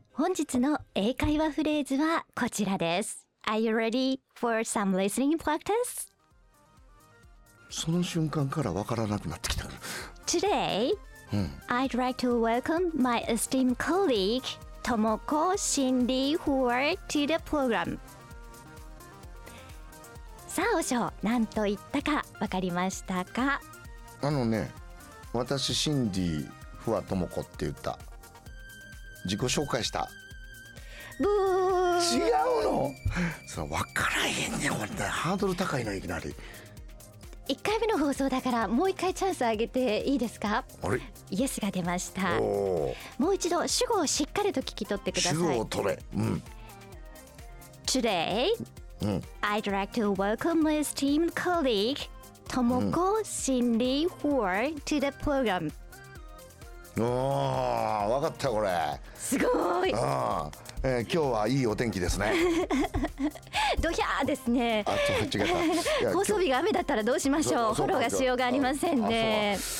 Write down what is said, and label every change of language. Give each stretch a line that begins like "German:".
Japanese: 本日の英会話フレーズはこちらです。
English: Are you ready for some listening practice?
Japanese: その瞬間からわからなくなってきた。
English: Today,、I'd like to welcome my esteemed colleague, Tomoko Shinri Huar, to the program.
Japanese: さあ、おしょう、何と言ったかわかりましたか？あのね、私、シンディ・フワ・トモコって言った。自己紹介した。ブー、違うの？それ分からへんねん、これ。ハードル高いな、いきなり。 1回目の放送だから、もう1回チャンスあげていいですか？あれ？イエスが出ました。もう一度、主語をしっかりと聞き取ってください。主語を取れ。
English: Today,、I'd like to welcome my esteemed colleague. トモコ・シンリー・フォー to the program。
Japanese: おー、分かったこれ。すごい。今日はいいお天気ですね。ドヒャーですね。あ、ちょっと違った。放送日が雨だったらどうしましょう。フォローがしようがありませんね。